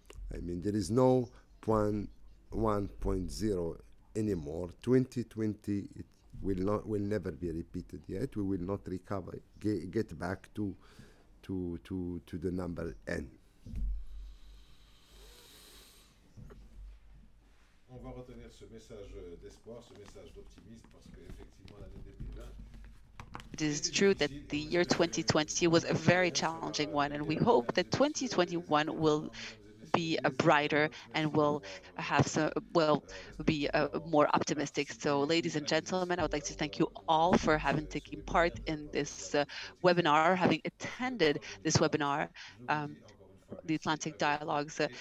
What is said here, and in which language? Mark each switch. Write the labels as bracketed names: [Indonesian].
[English] There is no 1.0 anymore. 2020 will never be repeated yet. We will not recover, get back to the number N. [French] maintenir ce message d'espoir, ce message d'optimisme, parce que effectivement l'année 2020. [English] It is true that the year 2020 was a very challenging one, and we hope that 2021 will be a brighter and will have some, will be more optimistic. So, ladies and gentlemen, I would like to thank you all for having taken part in this webinar, having attended this webinar, the Atlantic Dialogues.